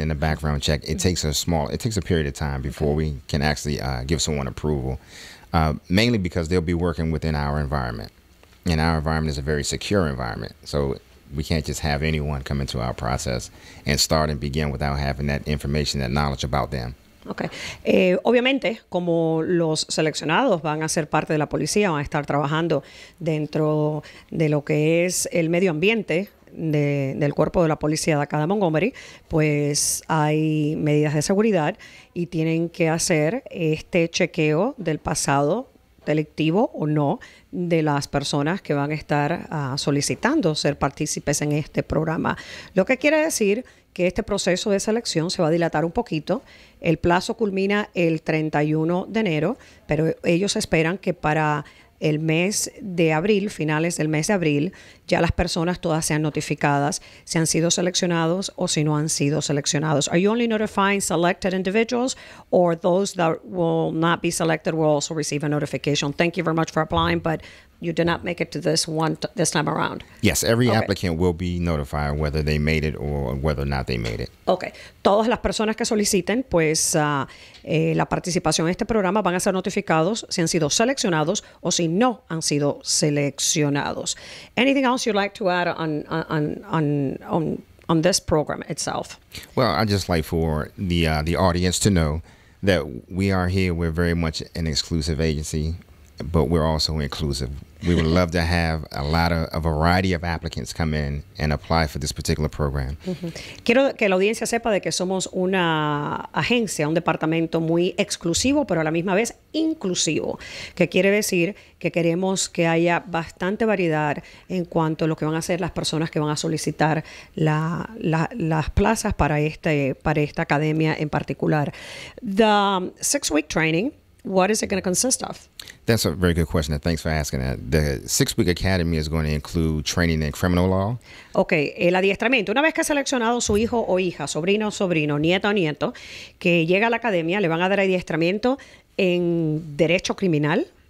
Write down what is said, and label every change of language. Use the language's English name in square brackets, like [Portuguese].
[English] And the background check, it takes a period of time before we can actually give someone approval, mainly because they'll be working within our environment. And our environment is a very secure environment, so we can't just have anyone come into our process and start and begin without having that information, that knowledge about them. Okay. [Spanish] Obviamente, como los seleccionados van a ser parte de la policía, van a estar trabajando dentro de lo que es el medio ambiente del cuerpo de la policía de acá de Montgomery, pues hay medidas de seguridad y tienen que hacer este chequeo del pasado delictivo o no de las personas que van a estar solicitando ser partícipes en este programa. Lo que quiere decir que este proceso de selección se va a dilatar un poquito. El plazo culmina el 31 de enero, pero ellos esperan que para el mes de abril, finales del mes de abril, ya las personas todas sean notificadas si han sido seleccionados o si no han sido seleccionados. [English] Are you only notifying selected individuals, or those that will not be selected will also receive a notification? Thank you very much for applying, but you did not make it to this time around. Yes, every applicant will be notified whether they made it or whether or not they made it. Okay. [Spanish] Todas las personas que soliciten, pues, la participación en este programa van a ser notificados si han sido seleccionados o si no han sido seleccionados. [English] Anything else you'd like to add on this program itself? Well, I'd just like for the audience to know that we are here. We're very much an exclusive agency, but we're also inclusive. We would love to have a variety of applicants come in and apply for this particular program. Mm-hmm. [Spanish] Quiero que la audiencia sepa de que somos una agencia, un departamento muy exclusivo, pero a la misma vez inclusivo, que quiere decir que queremos que haya bastante variedad en cuanto a lo que van a hacer las personas que van a solicitar las plazas para esta academia en particular. [English] The 6-week training, what is it going to consist of? That's a very good question, and thanks for asking that. The 6-week academy is going to include training in criminal law. [Spanish] Okay, el adiestramiento. Una vez que ha seleccionado su hijo o hija, sobrino o sobrino, nieto o nieto, que llega a la academia, le van a dar adiestramiento en derecho criminal.